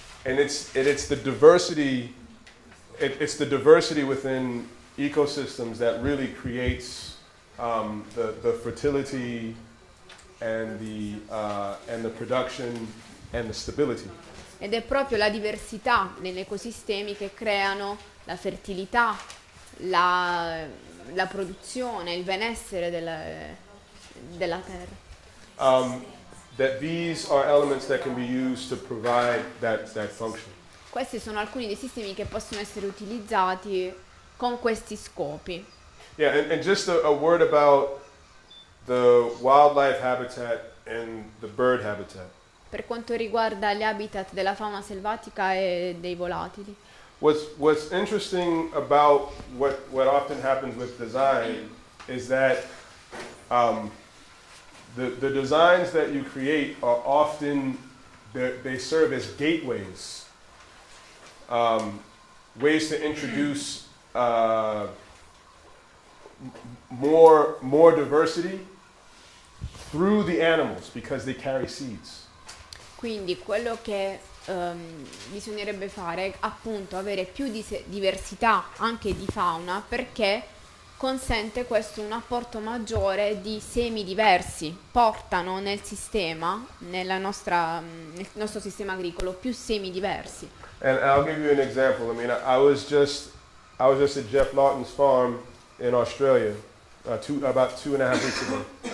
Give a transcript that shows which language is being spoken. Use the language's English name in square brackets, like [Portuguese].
[English] And it's the diversity it's the diversity within ecosystems that really creates the fertility and the production and the stability. [Italian] Ed è proprio la diversità negli ecosistemi che creano la fertilità, la produzione, il benessere della terra. [English] That these are elements that can be used to provide that function. [Italian] Questi sono alcuni dei sistemi che possono essere utilizzati con questi scopi. [English] Yeah, and just a word about the wildlife habitat and the bird habitat. [Italian] Per quanto riguarda gli habitat della fauna selvatica e dei volatili. [English] What's interesting about what often happens with design is that the designs that you create are often they serve as gateways, ways to introduce more diversity through the animals because they carry seeds. [Italian] Quindi quello che bisognerebbe fare è appunto avere più diversità anche di fauna perché consente questo un apporto maggiore di semi diversi, portano nel sistema, nel nostro sistema agricolo, più semi diversi. [English] And I'll give you an example. I mean, I was just at Jeff Lawton's farm in Australia about 2.5 weeks ago.